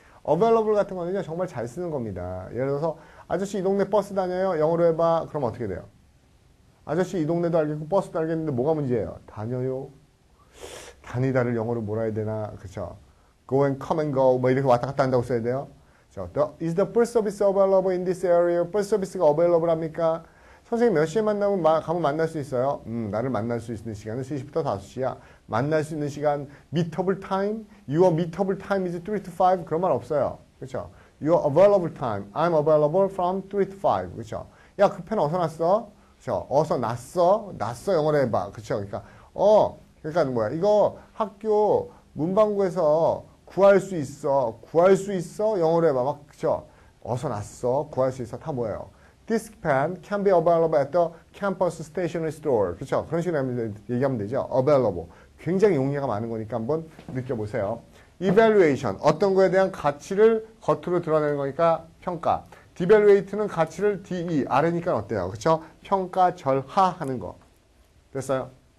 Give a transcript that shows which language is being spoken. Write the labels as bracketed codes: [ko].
[ko] Available 같은 거는요, 정말 잘 쓰는 겁니다. 예를 들어서 아저씨 이 동네 버스 다녀요. 영어로 해봐. 그럼 어떻게 돼요? 아저씨 이 동네도 알겠고 버스도 알겠는데 뭐가 문제예요? 다녀요. 다니다를 영어로 뭐라 해야 되나. 그렇죠? [en] Go and come and go. [ko] 뭐 이렇게 왔다 갔다 한다고 써야 돼요. [en] 저, is the bus service available in this area? bus service가 available 합니까? [ko] 선생님 몇 시에 만나면 가면 만날 수 있어요? 나를 만날 수 있는 시간은 3시부터 5시야. 만날 수 있는 시간, [en] meetable time? Your meetable time is 3 to 5? [ko] 그런 말 없어요. 그쵸? [en] Your available time. I'm available from 3 to 5. 그쵸? [ko] 야, 그 펜 어서 났어? 그쵸? 어서 났어? 났어? 영어로 해봐. 그쵸? 그러니까, 그러니까 뭐야. 이거 학교 문방구에서 구할 수 있어. 구할 수 있어? 영어로 해봐. 막, 그쵸? 어서 났어? 구할 수 있어? 다 뭐예요? [en] This pen can be available at the campus stationery store. [ko] 그렇죠? 그런 식으로 얘기하면 되죠. [en] Available. [ko] 굉장히 용례가 많은 거니까 한번 느껴보세요. [en] Evaluation. [ko] 어떤 거에 대한 가치를 겉으로 드러내는 거니까 평가. Devaluate는 가치를 DE, 아래니까 어때요? 그렇죠? 평가, 절하하는 거. 됐어요?